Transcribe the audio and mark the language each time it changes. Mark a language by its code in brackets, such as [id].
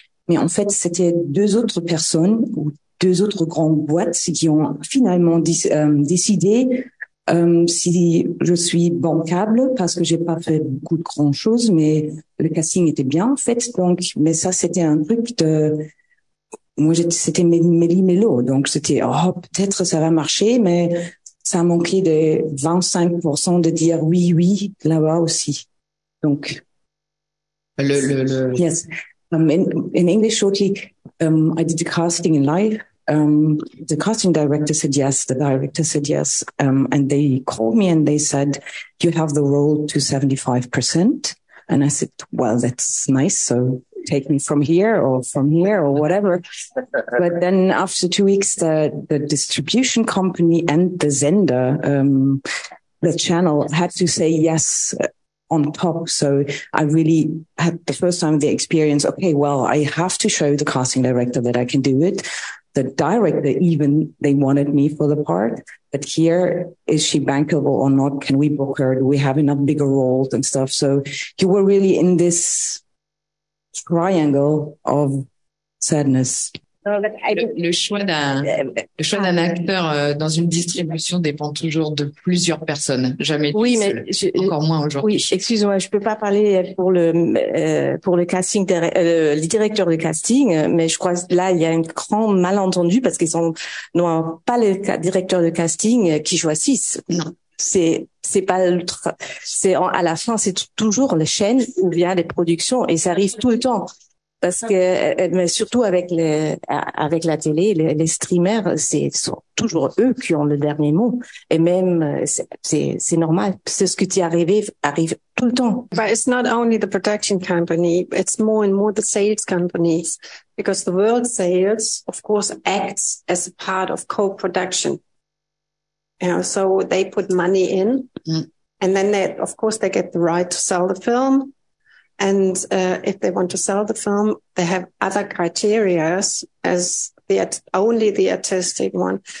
[fr] Mais en fait, c'était 2 autres personnes ou 2 autres grandes boîtes qui ont finalement décidé si je suis bancable parce que j'ai pas fait beaucoup de grand chose, mais le casting était bien, en fait. Donc, mais ça, c'était un truc de, moi, c'était méli-mélo. Donc, c'était, oh, peut-être ça va marcher, mais, ça a manqué de 25% de dire oui, oui, là-bas aussi. Donc. Le. [en] Yes. In English, shortly, I did the casting in live. The casting director said yes. The director said yes. And they called me and they said, you have the role to 75%. And I said, well, that's nice. So take me from here or whatever. But then after 2 weeks, the distribution company and the Sender, the channel had to say yes on top. So I really had the first time the experience, okay, well, I have to show the casting director that I can do it. The director, even they wanted me for the part, but here, is she bankable or not? Can we book her? Do we have enough bigger roles and stuff? So you were really in this triangle of sadness. [fr] Le choix d'un acteur dans une distribution dépend toujours de plusieurs personnes, jamais oui, tout mais seul. Encore moins aujourd'hui. Oui, excuse-moi, je peux pas parler pour le casting, le directeur de casting, mais je crois là il y a un grand malentendu parce qu'ils n'ont pas le directeur de casting qui choisissent. Non. À la fin, c'est toujours les chaînes ou bien les productions et ça arrive tout le temps. Parce que, mais surtout avec la télé, les streamers, sont toujours eux qui ont le dernier mot. Et même, c'est normal. C'est ce que tu es arrive tout le temps. [en] But it's not only the production company. It's more and more the sales companies. Because the world sales, of course, acts as a part of co-production. You know, so they put money in, and then they, of course, they get the right to sell the film. And if they want to sell the film, they have other criteria as the only the artistic one.